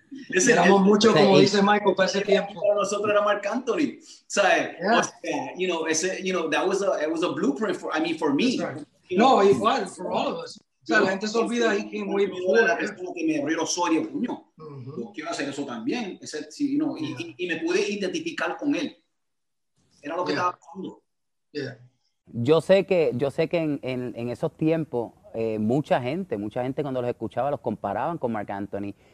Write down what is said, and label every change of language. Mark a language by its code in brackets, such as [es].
[es] Éramos mucho, como dice Michael, para ese tiempo. Para nosotros era Marc Anthony, ¿sabes? [en] Yeah. [es] O sea, [en] you know, ese, you know, that was a, it was a blueprint for, I mean, for me. [es] No, igual, [en] for all of us. [es] O sea, la gente se olvida ahí que muy bien. La persona que me abrió los ojos y el puño. Uh-huh. Quiero hacer eso también. Ese, sí, no. Yeah. Y me pude identificar con él. Era lo que estaba pasando. [en] Yeah. [es] Yo sé que en esos tiempos, mucha gente cuando los escuchaba los comparaban con Marc Anthony.